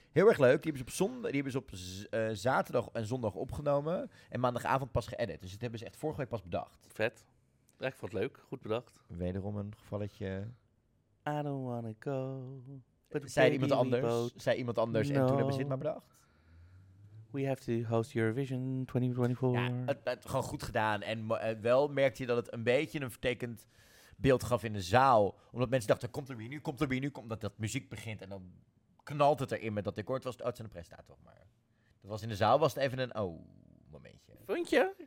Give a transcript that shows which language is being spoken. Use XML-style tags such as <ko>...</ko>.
<nl>Heel erg leuk. Die hebben ze zaterdag en zondag opgenomen. En maandagavond pas geëdit. Dus dat hebben ze echt vorige week pas bedacht. Vet. Ik vond het leuk. Goed bedacht. Wederom een gevalletje.</nl> <en>I don't wanna go.</en> <nl>Zei iemand anders. No. En toen hebben ze dit maar bedacht.</nl> <en>We have to host Eurovision 2024.</en> <nl>Ja, het gewoon goed gedaan. En wel merkte je dat het een beetje een vertekend beeld gaf in de zaal. Omdat mensen dachten, komt er weer nu. Omdat dat muziek begint en dan knalt het erin met dat decor. Het was een prestatie. Maar dat was in de zaal was het even een momentje. Vond je?</nl>